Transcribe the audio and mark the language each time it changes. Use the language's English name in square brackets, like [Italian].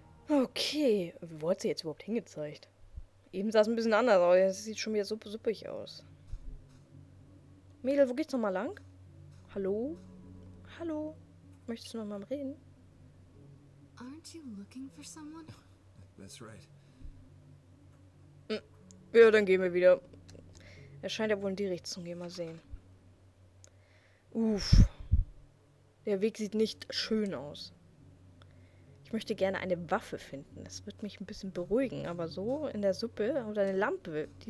[German] Okay, wo hat sie jetzt überhaupt hingezeigt? Eben sah es ein bisschen anders aus, jetzt sieht schon wieder so suppig aus. Mädel, wo geht's nochmal lang? Hallo? Hallo? Möchtest du nochmal reden? [English] Aren't you looking for someone? That's right. [German] Ja, dann gehen wir wieder. Er scheint ja wohl in die Richtung, gehen wir sehen. Uff. Der Weg sieht nicht schön aus. Ich möchte gerne eine Waffe finden. Das wird mich ein bisschen beruhigen. Aber so in der Suppe oder eine Lampe.